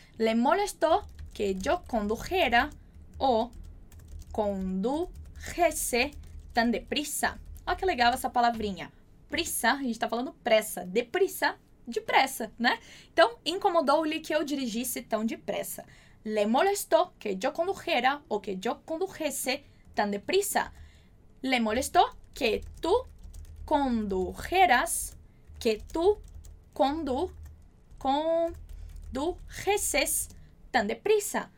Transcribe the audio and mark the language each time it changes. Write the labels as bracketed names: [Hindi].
[Spanish] Le molestó que yo condujera o condujese tan deprisa. [Portuguese] Olha que legal essa palavrinha. Prisa, a gente tá falando pressa. Deprisa, depressa, né? Então, incomodou-lhe que eu dirigisse tão depressa. [Spanish] Le molestó que yo condujera o que yo condujese tan deprisa. Le molestó que tú condujeras, que tú condujeses tan deprisa.